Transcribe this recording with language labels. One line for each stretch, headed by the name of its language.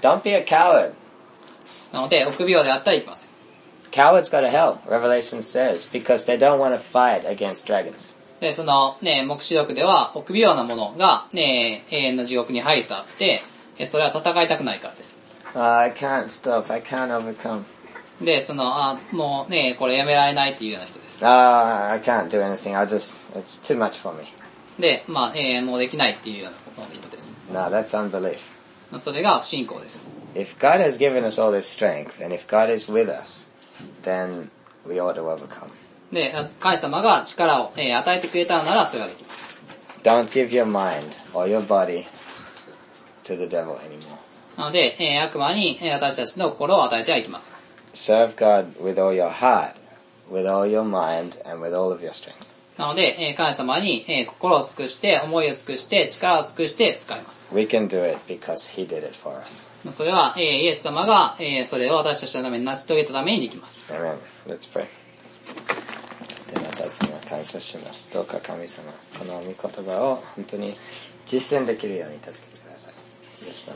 English: Don't be a coward.
Japanese: なので臆病であったらいけません。
English: Cowards go to hell, Revelation says, because they don't want to fight against dragons.
Japanese: で、その、黙示録では臆病な者が、永遠の地獄に入るとあって、それは戦いたくないからです。
English: I can't stop, I can't overcome.
Japanese: で、その、もう、これやめられないというような人です。
English: I can't do anything, it's too much for me.
Japanese: で、まあ、もうできないっていうような。
English: No, that's unbelief.
Japanese: それが不信仰です。
English: If God has given us all this strength, and if God is with us, then we ought to overcome.
Japanese: で、神様が力を、与えてくれたならそれができます。
English: Don't give your mind or your body to the devil anymore.
Japanese: なので、悪魔に、私たちの心を与えてはいけません。
English: Serve God with all your heart, with all your mind, and with all of your strength.
Japanese: なので、神様に、心を尽くして、思いを尽くして、力を尽くして使います。
English: We can do it because he did it for us.
Japanese: それは、イエス様が、それを私たちのために成し遂げたためにできます。
English: Amen. Let's pray.
Japanese: では、私には感謝します。どうか神様、この御言葉を本当に実践できるように助けてください。イエスの皆によって祈ります。Amen. Okay.